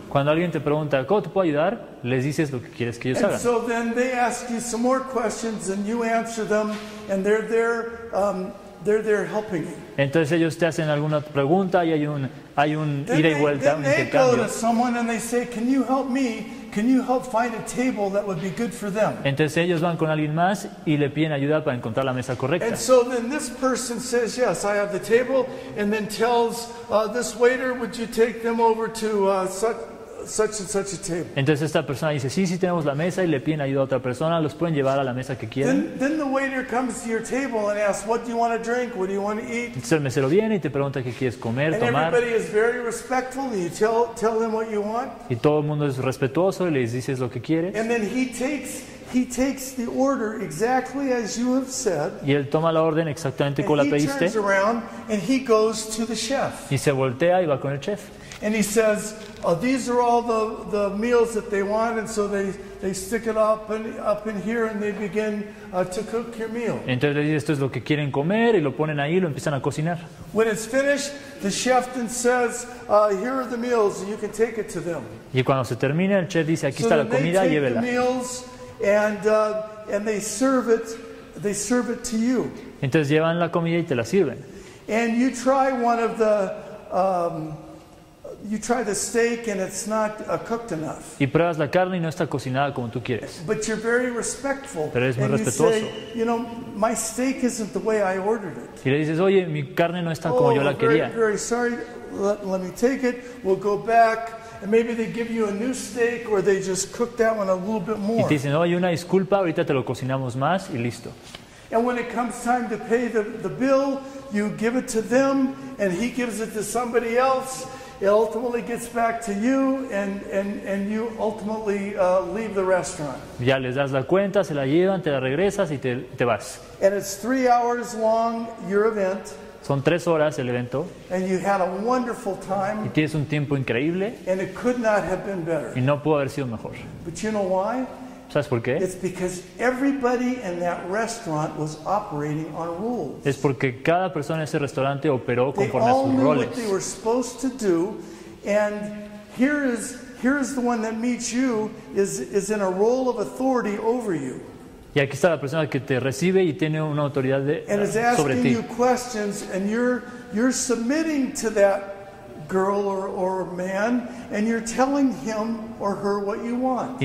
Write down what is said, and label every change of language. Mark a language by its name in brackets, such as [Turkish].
[Spanish] Cuando alguien te pregunta, ¿cómo te puedo ayudar? Les dices lo que quieres que ellos [English] and [Spanish] hagan. [English] So then they ask you some more questions and you answer them and they're there helping you. [Spanish] Entonces ellos te hacen alguna pregunta y hay un ida y vuelta, un intercambio. [English] Then they go to someone and they say, can you help me? Can you help find a table that would be good for them? [Spanish] Entonces ellos van con alguien más y le piden ayuda para encontrar la mesa correcta. [English] And so then this person says, yes, I have the table, and then tells this waiter, would you take them over to such and such a table? [Spanish] Entonces esta persona dice, sí, sí, tenemos la mesa, y le piden ayuda a otra persona, los pueden llevar a la mesa que quieren. [English] Then the waiter comes to your table and asks, what do you want to drink? What do you want to eat? [Spanish] Entonces el mesero viene y te pregunta qué quieres comer, [English] and [Spanish] tomar. [English] Everybody is very respectful, and you tell them what you want. [Spanish] Y todo el mundo es respetuoso y les dices lo que quieres. [English] And then he takes the order exactly as you have said. [Spanish] Y él toma la orden exactamente como la pediste. [English] He turns around and he goes to the chef. [Spanish] Y se voltea y va con el chef. [English] And he says, these are all the meals that they want, and so they stick it up in here, and they begin to cook your meal. [Spanish] Entonces dice, esto es lo que quieren comer, y lo ponen ahí, lo empiezan a cocinar. [English] When it's finished, the chef then says, here are the meals, you can take it to them. [Spanish] Y cuando se termina, el chef dice, aquí está la comida, llévela. [English] The meals, and they serve it to you. [Spanish] Entonces llevan la comida y te la sirven. [English] And you try one of the you try the steak and it's not cooked enough. [Spanish] Y pruebas la carne y no está cocinada como tú quieres. [English] But you're very respectful. [Spanish] Pero eres muy [English] and [Spanish] respetuoso. [English] You say, you know, my steak isn't the way I ordered it. [Spanish] Y le dices, "Oye, mi carne no está como yo la quería." [English] Oh, very sorry. Let me take it. We'll go back. And maybe they give you a new steak or they just cook that one a little bit more. [Spanish] Y te dicen, "Oye, una disculpa, ahorita te lo cocinamos más y listo." [English] And when it comes time to pay the bill, you give it to them and he gives it to somebody else. It ultimately gets back to you and you ultimately leave the restaurant. [Spanish] Ya les das la cuenta, se la llevan, te la regresas y te vas. [English] And it's 3 hours long, your event. [Spanish] Son 3 horas el evento. [English] And you had a wonderful time. [Spanish] Y tienes un tiempo increíble. [English] And it could not have been better. [Spanish] Y no pudo haber sido mejor. [English] But you know why? [Spanish] ¿Sabes por qué? [English] It's because everybody in that restaurant was operating on rules. [Spanish] Es porque cada persona en ese restaurante operó conforme a sus roles. [English] They all knew what they were supposed to do, and here is the one that meets you is in a role of authority over you. [Spanish] Y aquí está la persona que te recibe y tiene una autoridad sobre ti. [English] And is asking you questions, and you're submitting to that girl or man, and you're telling him or her what you want.